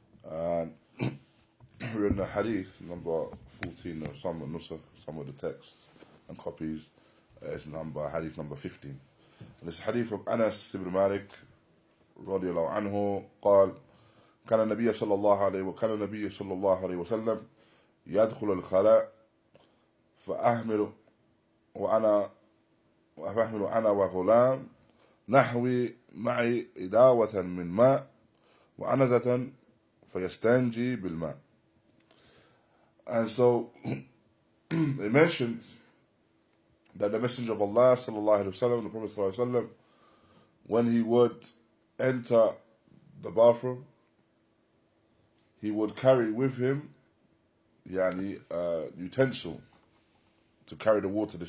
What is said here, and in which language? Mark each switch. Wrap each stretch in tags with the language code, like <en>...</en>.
<en>And we're in the hadith number 14 of some of the nusakh, some of the texts and copies is number hadith number 15. And this hadith of Anas ibn Malik radiallahu anhu</en> <ar>قال كان النبي صلى الله عليه وكان النبي صلى الله عليه وسلم يدخل الخلاء فأحمل أنا وغلام نحوي معي إداوة من ماء وعنزة فيستنجي بالماء.</ar> <en>And so it mentions that the Messenger of Allah sallallahu alaihi wasallam, the Prophet sallallahu alaihi wasallam, when he would enter the bathroom, he would carry with him, yani, a utensil to carry the water.</en>